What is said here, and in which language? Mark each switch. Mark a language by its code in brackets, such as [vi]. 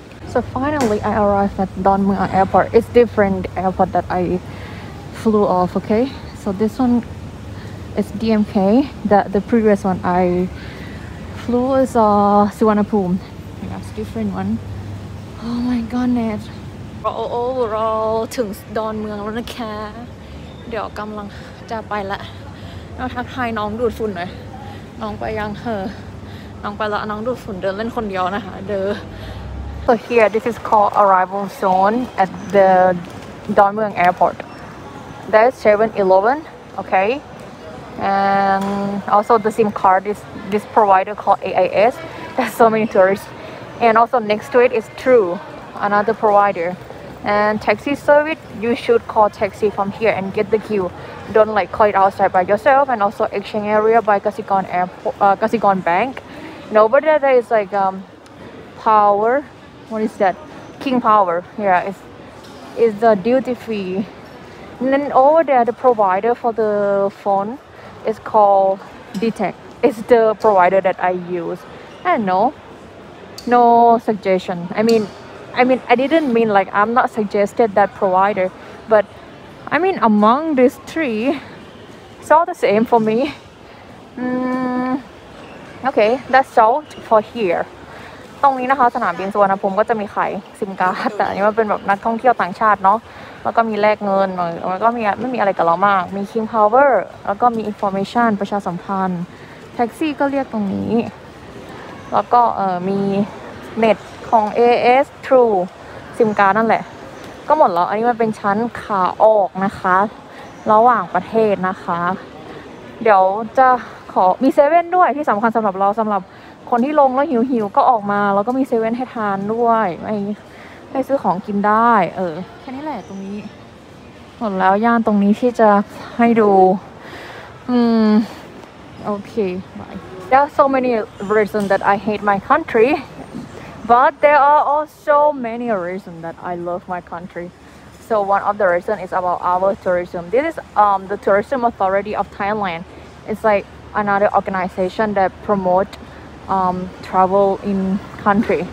[en] So finally I arrived at Don Mueang Airport. It's different airport that I flew off, okay? So this one is DMK. The previous one I flew is Suvarnabhumi. That's different one. Oh my goodness. [th] Overall ถึง Don Mueang แล้วนะคะเดี๋ยวกำลังจะไปละน้องทักทายน้องดูดฝุ่นหน่อยน้องไปยังเหอน้องไปละน้องดูดฝุ่นเดินเล่นคนเดียวนะคะเด้อ [en] So here this is called arrival zone at the Don Mueang Airport That's 7-Eleven okay and also the SIM card this provider called AIS there's so many tourists and also next to it is True another providerAnd taxi service, you should call taxi from here and get the queue. Don't like call it outside by yourself and also exchange area by Kasikorn Airport, Kasikorn Bank. No, but there is like power. What is that? King Power. Yeah, it's the duty fee. And then over there, the provider for the phone is called DTEC. It's the provider that I use. I don't know. No suggestion. I mean, I didn't mean like I'm not suggested that provider, but I mean among these three, it's all the same for me. Okay, that's all for here. [th] ตรงนี้นะคะสนามบินสุวรรณภูมิก็จะมีขายซิมการ์ดแต่อันนี้มันเป็นแบบนักท่องเที่ยวต่างชาติเนาะแล้วก็มีแลกเงินหน่อยแล้วก็มีไม่มีอะไรกับเรามากมีคิงพาวเวอร์แล้วก็มีอินฟอร์เมชันประชาสัมพันธ์แท็กซี่ก็เรียกตรงนี้ แล้วก็มีเน็ตของ AS True ซิมการ์ดนั่นแหละก็หมดแล้วอันนี้มันเป็นชั้นขาออกนะคะระหว่างประเทศนะคะเดี๋ยวจะขอมีเซเว่นด้วยที่สำคัญสำหรับเราสำหรับคนที่ลงแล้วหิวๆก็ออกมาแล้วก็มีเซเว่นให้ทานด้วยให้ซื้อของกินได้แค่นี้แหละตรงนี้หมดแล้วย่านตรงนี้ที่จะให้ดู [en] Okay, bye. There are so many reasons that I hate my country, but there are also many reasons that I love my country. So one of the reasons is about our tourism. This is the Tourism Authority of Thailand. It's like another organization that promote travel in country.